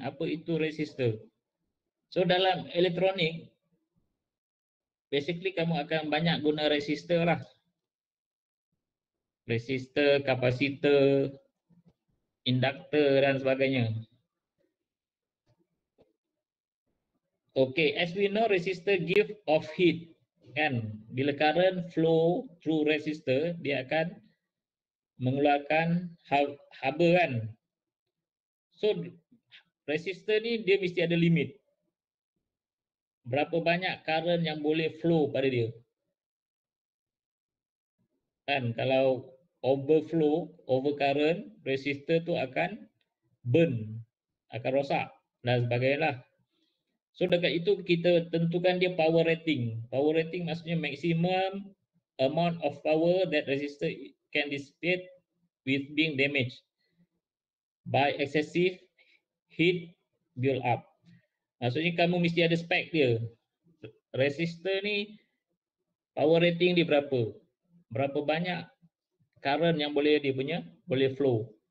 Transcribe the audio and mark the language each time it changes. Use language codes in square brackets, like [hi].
[ms] Apa itu resistor? So dalam elektronik basically kamu akan banyak guna resistor lah. Resistor, kapasitor, induktor dan sebagainya. [en] Okay, as we know, resistor give off heat, kan? [ms] Bila [en] current flow through resistor, [ms] dia akan mengeluarkan haba, kan? So, resistor ni dia mesti ada limit. Berapa banyak current yang boleh flow pada dia? Kan, kalau overflow, over current, resistor tu akan burn, akan rosak dan sebagainya. So dekat itu kita tentukan dia power rating. [en] Power rating maksudnya maximum amount of power that resistor can dissipate with being damaged by excessive heat build up. [ms] Maksudnya kamu mesti ada spek dia. Resistor ni power rating dia berapa? Berapa banyak current yang boleh dia punya boleh flow.